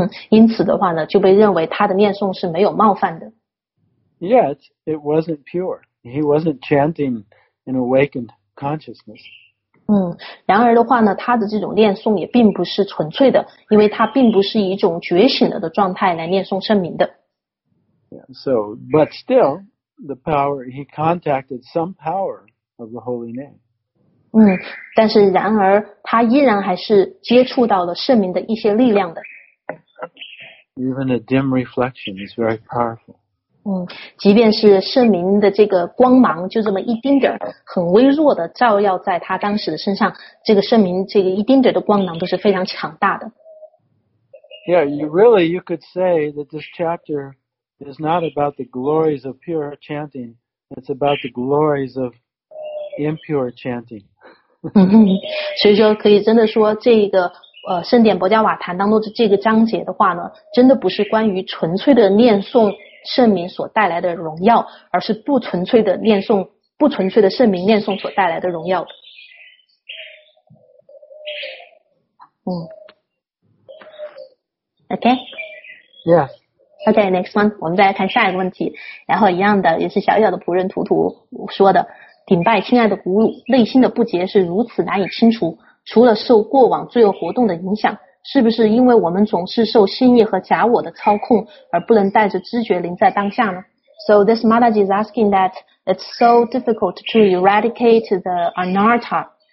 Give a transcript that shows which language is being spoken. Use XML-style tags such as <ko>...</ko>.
<zh>因此的话呢就被认为他的念诵是没有冒犯的。</zh> <en>Yet, it wasn't pure. He wasn't chanting in awakened consciousness.</en> <zh>然而的话呢他的这种念诵也并不是纯粹的，因为他并不是以一种觉醒的状态来念诵圣名的。</zh> <en>Yeah, so, but still, the power, he contacted some power of the holy name.</en> <zh>但是然而他依然还是接触到了圣名的一些力量的。</zh> <en>Even a dim reflection is very powerful.</en> <zh>即便是圣明的这个光芒就这么一丁点很微弱的照耀在他当时的身上，这个圣明这个一丁点的光芒都是非常强大的。</zh> <en>Yeah, you could say that this chapter is not about the glories of pure chanting, it's about the glories of impure chanting.</en> <zh>所以说可以真的说这个圣典博加瓦坛当中的这个章节的话呢，真的不是关于纯粹的念诵圣名所带来的荣耀，而是不纯粹的念诵，不纯粹的圣名念诵所带来的荣耀。</zh> <en>OK? Yeah. OK, next one.</en> <zh>我们再来看下一个问题。然后一样的也是小小的仆人图图说的，顶拜亲爱的古鲁，内心的不洁是如此难以清除，除了受过往罪恶活动的影响，是不是因为我们总是受心意和假我的操控而不能带着知觉临在当下呢？</zh> <en>So this Mataji is asking that it's so difficult to eradicate the anartha.</en>